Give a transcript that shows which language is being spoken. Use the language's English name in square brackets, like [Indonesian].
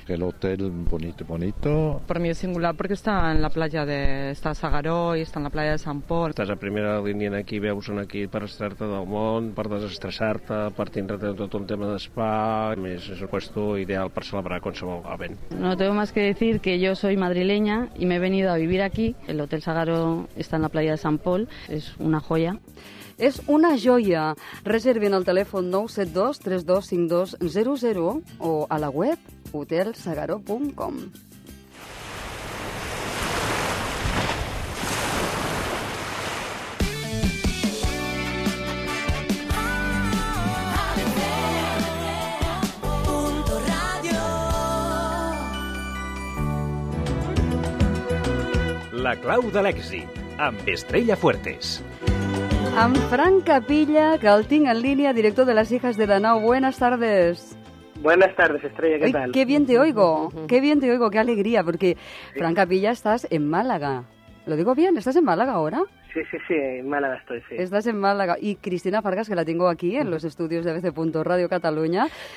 [Spanish] El hotel, bonito, bonito. [Catalan] Per mi és singular perquè està en la platja de... Està a S'Agaró i està en la platja de Sant Pol. Estàs a primera línia aquí, veus un aquí per estar-te del món, per desestressar-te, per tindre tot un tema d'espa. A més, és un puesto ideal per celebrar qualsevol event. [Spanish] No tengo más que decir que yo soy madrileña y me he venido a vivir aquí. El hotel S'Agaró está en la platja de Sant Pol. [Catalan] És una joia. És una joia. Reservin el telèfon 972-325200 o a la web hotelsagaró.com. La clau de l'èxit, amb Estrella Fuertes. Amb Fran Capilla, que el tinc en línia, director de Las Hijas de Danau. [Spanish] Buenas tardes. Buenas tardes, Estrella, ¿qué Ay, tal? Qué bien te oigo, qué bien te oigo, qué alegría, porque, sí. Fran Capilla, estás en Málaga. ¿Lo digo bien? ¿Estás en Málaga ahora? Sí, sí, sí, en Málaga estoy, sí. Estás en Málaga. Y Cristina Fargas, que la tengo aquí en los estudios de ABC.Radio Cataluña.